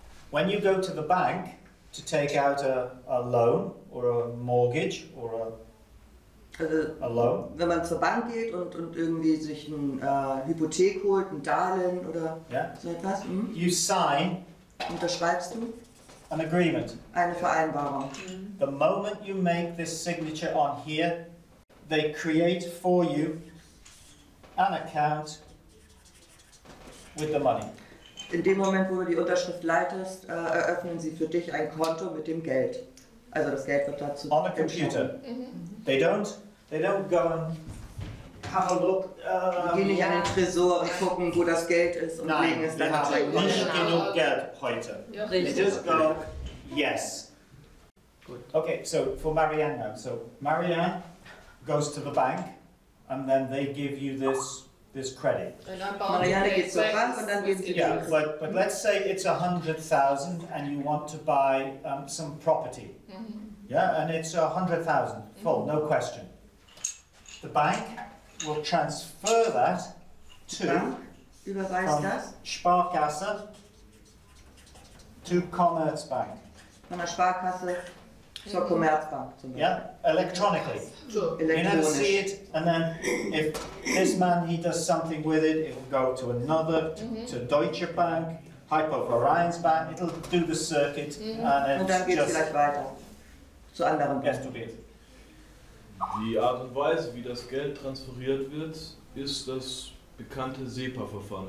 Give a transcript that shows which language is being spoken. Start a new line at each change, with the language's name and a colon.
English: When you go to the bank, to take out a loan or a mortgage or a loan.
German: Wenn man zur Bank geht und irgendwie sich ein Hypothek holt, ein Darlehen oder yeah. So etwas. Mm.
English: You sign.
German: Unterschreibst du?
English: An agreement.
German: Eine Vereinbarung. Mm.
English: The moment you make this signature on here, they create for you an account with the money.
German: In dem Moment, wo du die Unterschrift leitest, eröffnen sie für dich ein Konto mit dem Geld. Also das Geld wird dazu
English: on a computer. They don't go and have a look.
German: Die gehen nicht an den Tresor und gucken, wo das Geld ist und nein, legen es dann auf ein Konto. Nicht genug Geld heute. Ja.
English: They just go, yes. Good. Okay, so for Marianne now. So Marianne goes to the bank and then they give you this this credit.
German: Marianne geht zur so Bank und dann geben sie
English: yeah, but let's say it's 100,000 and you want to buy some property. Mm-hmm. Yeah, and it's 100,000 full, mm-hmm. no question. The bank will transfer that to Sparkasse to Commerzbank.
German: Von der Sparkasse zur Commerzbank zum Beispiel.
English: Yeah, electronically. So. Electronically. You never see it, and then if this man he does something with it, it will go to another, to Deutsche Bank, Hypo Varian's Bank. It'll do the circuit, and then
German: just. Und dann geht's vielleicht weiter zu anderen Banken. Die Art und Weise, wie das Geld transferiert wird, ist das bekannte SEPA-Verfahren.